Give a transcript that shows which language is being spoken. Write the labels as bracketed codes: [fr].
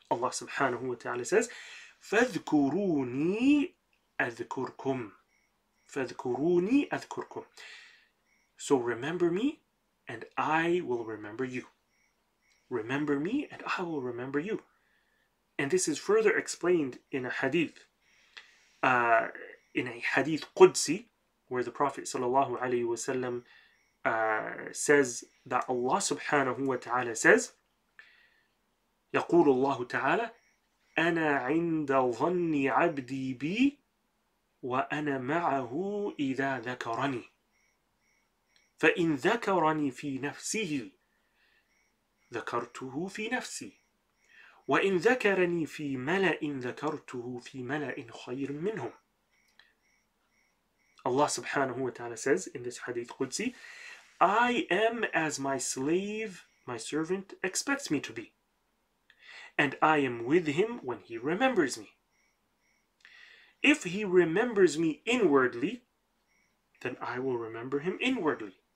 [en] Allah subhanahu wa ta'ala says, [ar] فَذْكُرُونِي أَذْكُرْكُمْ فَذْكُرُونِي أَذْكُرْكُمْ. [en] So remember me and I will remember you. Remember me and I will remember you. And this is further explained in a hadith. In a hadith Qudsi, where the Prophet sallallahu alayhi wa sallam says that Allah subhanahu wa ta'ala says, [ar] يقول الله تعالى أنا عند ظن عبدي بي وأنا معه إذا ذكرني فإن ذكرني في نفسه ذكرته في نفسي وإن ذكرني في ملأ ذكرته في ملأ خير منهم. [en] Allah subhanahu wa ta'ala says in this hadith Qudsi, I am as my slave, my servant expects me to be. And I am with him when he remembers me. If he remembers me inwardly, then I will remember him inwardly.